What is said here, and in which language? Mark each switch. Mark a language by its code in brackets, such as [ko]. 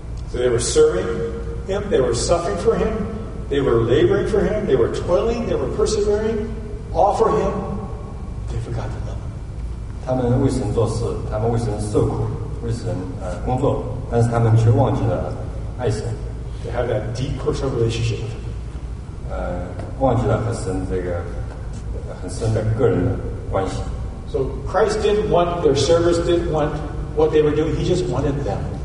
[en] So they were serving him, they were suffering for him, they were laboring for him, they were toiling, they were persevering, all for him. They forgot to love him. [zh] 他们为神做事，他们为神受苦，为神工作，但是他们却忘记了爱神。 [en] They had that deep personal relationship with him. [zh] 忘记了和神这个很深的个人的关系。 [en] So Christ didn't want their service, didn't want what they were doing, he just wanted them.